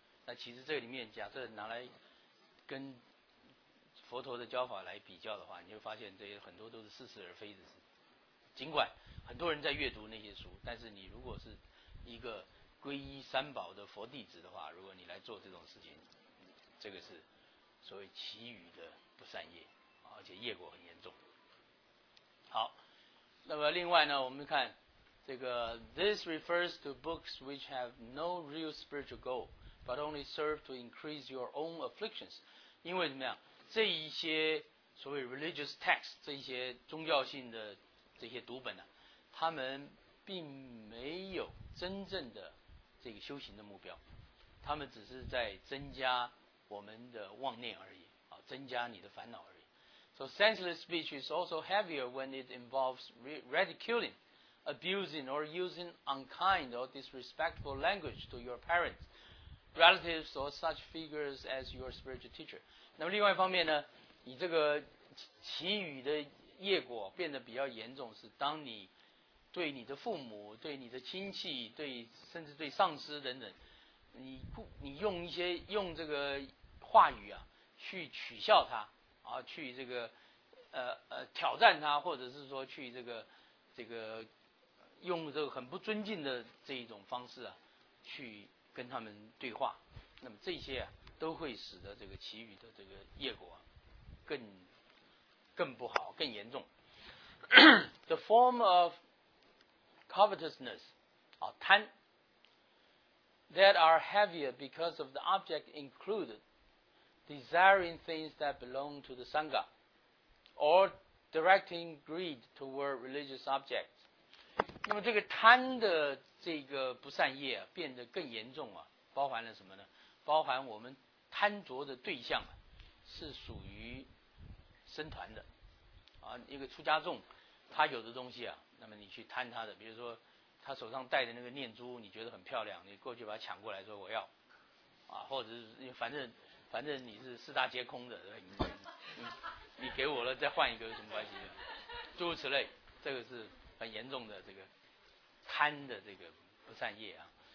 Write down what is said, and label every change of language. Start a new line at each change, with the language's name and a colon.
Chinese: 那其实这里面假设拿来跟佛陀的教法来比较的话，你会发现这些很多都是似是而非的事。尽管很多人在阅读那些书，但是你如果是一个皈依三宝的佛弟子的话，如果你来做这种事情，这个是所谓其余的不善业，而且业果很严重。好，那么另外呢，我们看这个
English: This refers to books which have no real spiritual goal but only serve to increase your own afflictions。
Chinese: 因为怎么样，这一些所谓
English: religious text，
Chinese: 这一些宗教性的这些读本呢，他们并没有真正的这个修行的目标，他们只是在增加我们的妄念而已，啊，增加你的烦恼而已。
English: So senseless speech is also heavier when it involves ridiculing, abusing or using unkind or disrespectful language to your parents, relatives or such figures as your spiritual teacher.
Chinese: 那么另外一方面呢，你这个其余的业果变得比较严重是当你对你的父母、对你的亲戚、对甚至对上司等等，你用一些用这个话语啊去取笑他啊，去这个挑战他，或者是说去这个用这个很不尊敬的这一种方式啊去跟他们对话，那么这些啊都会使得这个其余的这个业果更不好、更严重。
English: The form of covetousness,
Chinese: 啊，贪
English: that are heavier because of the object included, desiring things that belong to the Sangha, or directing greed toward religious objects.
Chinese: 那么这个贪的这个不善业啊，变得更严重啊，包含了什么呢？包含我们贪着的对象啊，是属于僧团的。啊，一个出家众他有的东西啊，那么你去贪他的，比如说他手上戴的那个念珠你觉得很漂亮，你过去把他抢过来说我要啊，或者是反正你是四大皆空的，对，你给我了再换一个有什么关系，诸如此类，这个是很严重的这个贪的这个不善业啊。